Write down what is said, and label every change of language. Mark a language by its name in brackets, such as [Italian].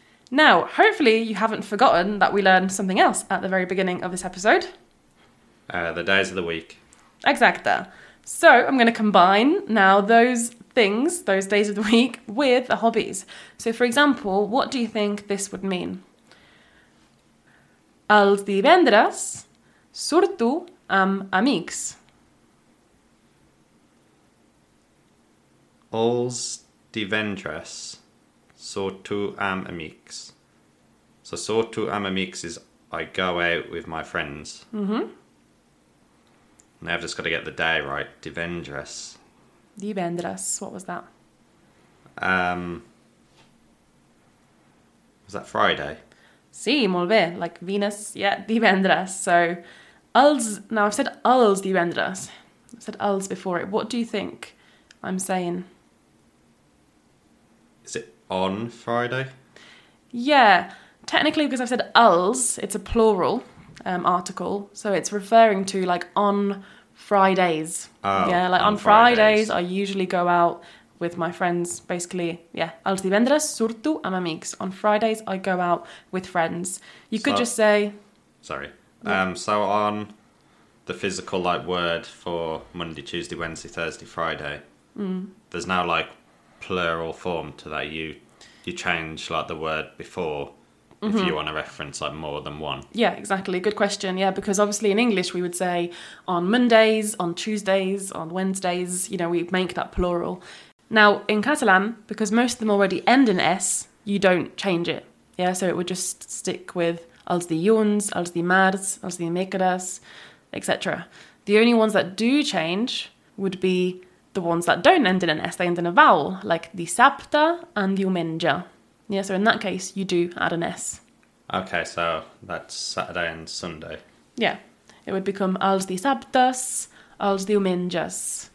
[English] Now, hopefully you haven't forgotten that we learned something else at the very beginning of this episode. The days of the week. [Spanish] Exacto. [English] So I'm going to combine now those things, those days of the week, with the hobbies. So for example, what do you think this would mean? [Catalan] Els divendres surto amb amics. Els divendres surto amb amics. [English] So [Catalan] surto amb amics [English] is I go out with my friends. Mm-hmm. Now I've just got to get the day right. [Catalan] Divendres. [English] Divendres. What was that? Was that Friday? [Catalan] Sí, molt bé. [English] Like Venus. Yeah, [Catalan] divendres. [English] So, [Catalan] els. [English] Now I've said [Catalan] els divendres. [English] I've said els before it. What do you think I'm saying? Is it on Friday? Yeah. Technically, because I've said els, it's a plural article. So it's referring to like on Fridays. Oh, yeah, like on Fridays. Fridays, I usually go out with my friends, basically. Yeah, [Catalan] els divendres surto amb amics. [English] On Fridays, I go out with friends. You could just say... Sorry. Yeah. So on the physical, like, word for Monday, Tuesday, Wednesday, Thursday, Friday, there's now, like, plural form to that. You change, like, the word before if you want to reference like more than one. Yeah, exactly. Good question. Yeah, because obviously in English we would say on Mondays, on Tuesdays, on Wednesdays, you know, we make that plural. Now in Catalan, because most of them already end in S, you don't change it. Yeah, so it would just stick with [Catalan] els dilluns, els dimarts, els dimecres, [English] etc. The only ones that do change would be the ones that don't end in an S, they end in a vowel, like dissabte and diumenge. Yeah, so in that case, you do add an S. Okay, so that's Saturday and Sunday. Yeah, it would become [Catalan] els dissabtes, els diumenges.